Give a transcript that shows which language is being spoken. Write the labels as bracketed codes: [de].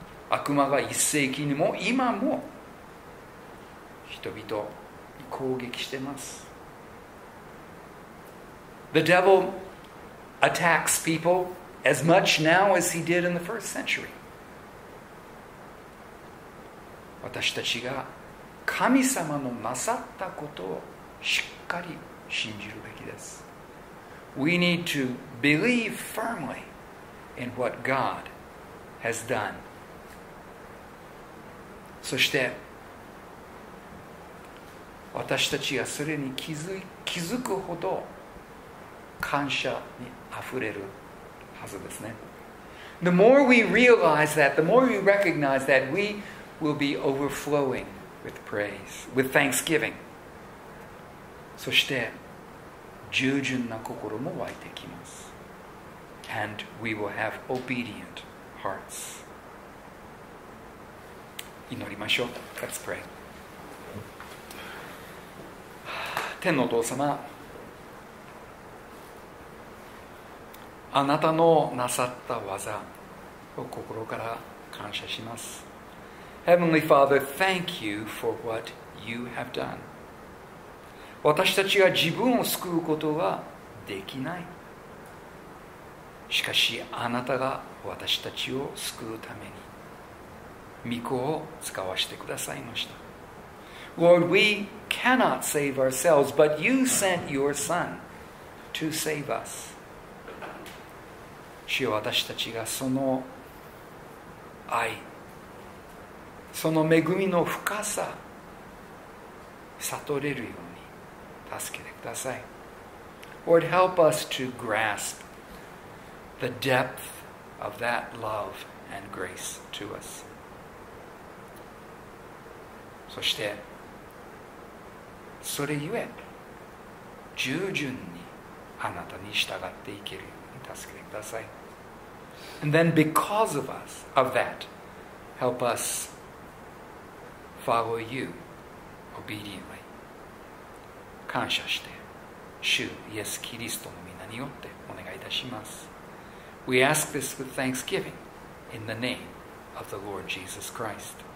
[ja] 悪魔が一世紀にも今も人々に攻撃してます。 [en] The devil attacks people as much now as he did in the first century. [ja] 私たちが神様のなさったことをしっかり信じるべきです。 [en] We need to believe firmly in what God has done. [ja] そして私たちがそれに気づくほど感謝にあふれるはずですね。 [en] The more we realize that, the more we recognize that, we will be overflowing with praise, with thanksgiving. [ja] そして従順な心も湧いてきます。 [en] And we will have obedient hearts. [ja] 祈りましょう。 [en] Let's pray. [ja] 天のお父様、あなたのなさった技を心から感謝します。 [en] Heavenly Father, thank you for what you have done. [ja] 私たちが自分を救うことはできない。しかしあなたが私たちを救うために御子を使わせてくださいました。 [en] Lord, we cannot save ourselves, but you sent your Son to save us. [ja] 主よ、私たちがその愛、その恵みの深さ、悟れるように助けてください。 [en] Lord, help us to grasp the depth of that love and grace to us. [ja] そして、それゆえ、従順にあなたに従っていけるように助けてください。 [en] And then because of us, of that, help us follow you obediently. [ja] 感謝して、主イエス・キリストの御名によってお願いいたします。 [en] We ask this with thanksgiving in the name of the Lord Jesus Christ.